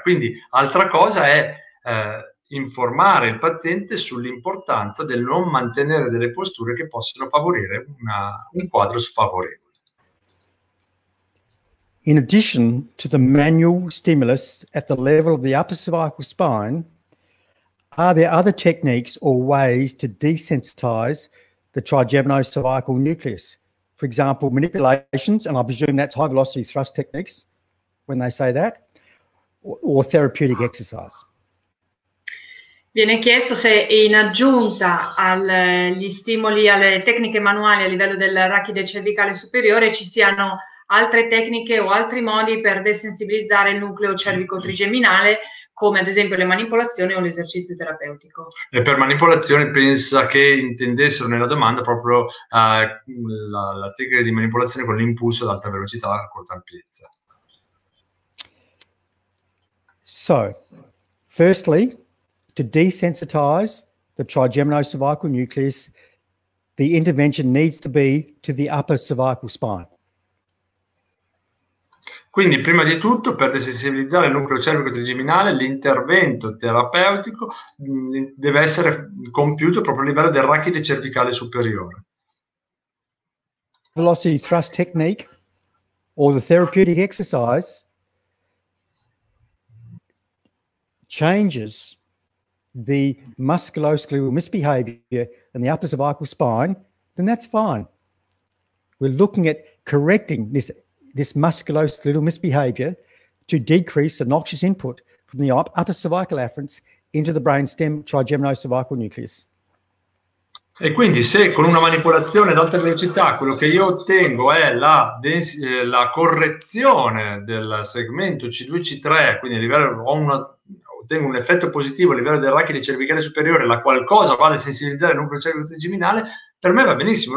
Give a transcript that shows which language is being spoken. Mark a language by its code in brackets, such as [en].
[it] Quindi altra cosa è informare il paziente sull'importanza del non mantenere delle posture che possono favorire un quadro sfavorevole. [en] In addition to the manual stimulus at the level of the upper cervical spine, are there other techniques or ways to desensitize the trigeminocervical nucleus? For example, manipulations, and I presume that's high velocity thrust techniques when they say that, or therapeutic exercise. [it] Viene chiesto se in aggiunta agli stimoli, alle tecniche manuali a livello del rachide cervicale superiore, ci siano altre tecniche o altri modi per desensibilizzare il nucleo cervico trigeminale, come ad esempio le manipolazioni o l'esercizio terapeutico. E per manipolazione pensa che intendessero nella domanda proprio la tecnica di manipolazione con l'impulso ad alta velocità a corta ampiezza. [en] So, firstly, to desensitize the trigeminal cervical nucleus, the intervention needs to be to the upper cervical spine. [it] Quindi, prima di tutto, per desensibilizzare il nucleo cervico trigeminale, l'intervento terapeutico deve essere compiuto proprio a livello del rachide cervicale superiore. [en] Velocity thrust technique or the therapeutic exercise changes the musculoskeletal misbehavior in the upper cervical spine, then that's fine. We're looking at correcting this musculoskeletal misbehavior to decrease the noxious input from the upper cervical afferents into the brainstem trigeminal cervical nucleus. [it] E quindi se con una manipolazione ad alta velocità quello che io ottengo è la correzione del segmento C2-C3, quindi a livello ottengo un effetto positivo a livello del rachide cervicale superiore, la qualcosa vale sensibilizzare il nucleo cervico trigeminale, per me va benissimo.